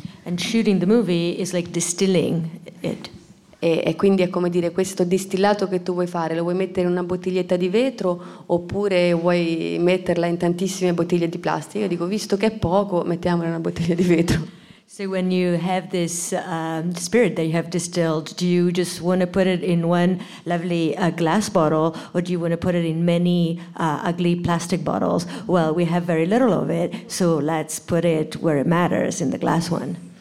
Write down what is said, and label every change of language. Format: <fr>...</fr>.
<en>And shooting the movie is like distilling it.</en> <it>E quindi è come dire, questo distillato che tu vuoi fare, lo vuoi mettere in una bottiglietta di vetro oppure vuoi metterla in tantissime bottiglie di plastica? Io dico, visto che è poco, mettiamola in una bottiglia di vetro.</it> <en>So when you have this spirit that you have distilled, do you just want to put it in one lovely glass bottle or do you want to put it in many ugly plastic bottles? Well, we have very little of it, so let's put it where it matters, in the glass one.</en>